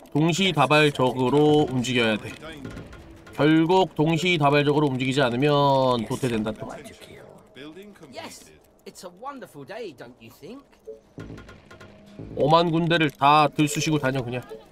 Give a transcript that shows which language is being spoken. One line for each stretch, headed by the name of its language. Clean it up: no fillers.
Korean: 동시다발적으로 움직여야 돼. 결국 동시다발적으로 움직이지 않으면 도태된다 또.
English: Yes, it's a wonderful day, don't you think?
Korean: 5만 군대를 다 들쑤시고 다녀 그냥.